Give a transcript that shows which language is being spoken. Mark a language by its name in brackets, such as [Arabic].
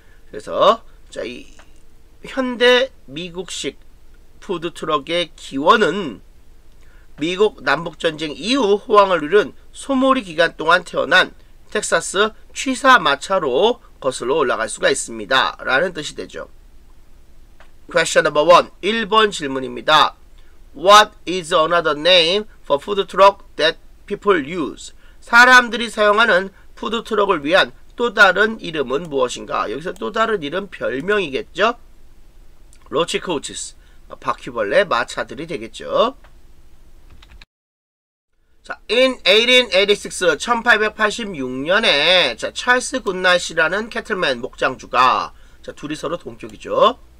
[Korean] 그래서 자, 이 현대 미국식 푸드트럭의 기원은 미국 남북전쟁 이후 호황을 이룬 소몰이 기간 동안 태어난 텍사스 취사마차로 거슬러 올라갈 수가 있습니다. 라는 뜻이 되죠. [English] Question number 1. [Korean] 1번 질문입니다. [English] What is another name for food truck that people use? [Korean] 사람들이 사용하는 푸드 트럭을 위한 또 다른 이름은 무엇인가? 여기서 또 다른 이름 별명이겠죠? [English] Roach coaches. [Korean] 바퀴벌레 마차들이 되겠죠. 자, [English] in 1886, [Korean] 1886년에 자, 찰스 굿나잇이라는 캐틀맨 목장주가 자, 둘이 서로 동격이죠.